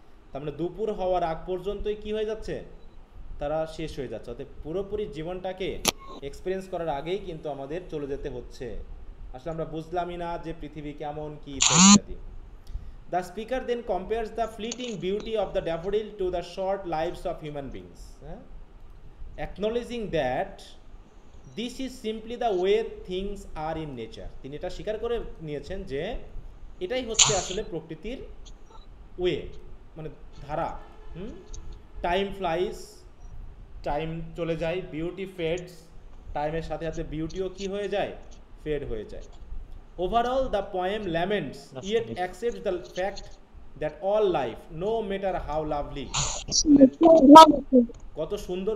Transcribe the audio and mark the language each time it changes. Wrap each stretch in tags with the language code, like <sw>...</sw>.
<bn>তার মানে দুপুর হওয়ার আগ পর্যন্তই কি হয়ে যাচ্ছে, তারা শেষ হয়ে যাচ্ছে, অর্থাৎ পুরোপুরি জীবনটাকে এক্সপিরিয়েন্স করার আগেই কিন্তু আমাদের চলে যেতে হচ্ছে। আসলে আমরা বুঝলামই না যে পৃথিবী কেমন কি ইত্যাদি।</bn> <en>The speaker then compares the fleeting beauty of the daffodil to the short lives of human beings.</en> <bn>হ্যাঁ,</bn> <en>acknowledging that this is simply the way things are in nature.</en> <bn>তিনি এটা স্বীকার করে নিয়েছেন যে এটাই হচ্ছে আসলে প্রকৃতির ওয়ে মানে ধারা</bn> <en>time flies time</en> <bn>চলে যায় বিউটি ফেডস টাইমের সাথে সাথে বিউটিও কি হয়ে যায় ফেড হয়ে যায়</bn> <en>overall the poem laments yet accepts the fact that all life no matter how lovely</en> <bn>কত সুন্দর</bn>